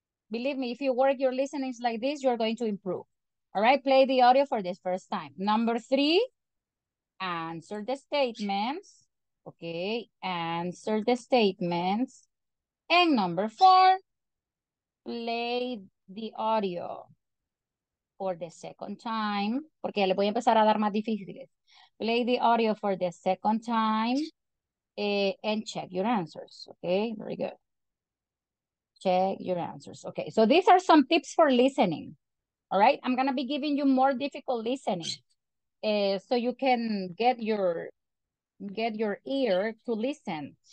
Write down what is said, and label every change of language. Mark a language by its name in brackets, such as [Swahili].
[English] Believe me, if you work your listenings like this, you're going to improve. All right, play the audio for the first time. Number three, answer the statements. Okay, answer the statements. And number four, play the audio for the second time. [Spanish] Porque le voy a empezar a dar más difíciles. [English] Play the audio for the second time and check your answers. Okay, very good. Check your answers. Okay, so these are some tips for listening. All right, I'm going to be giving you more difficult listening so you can get your ear to listen.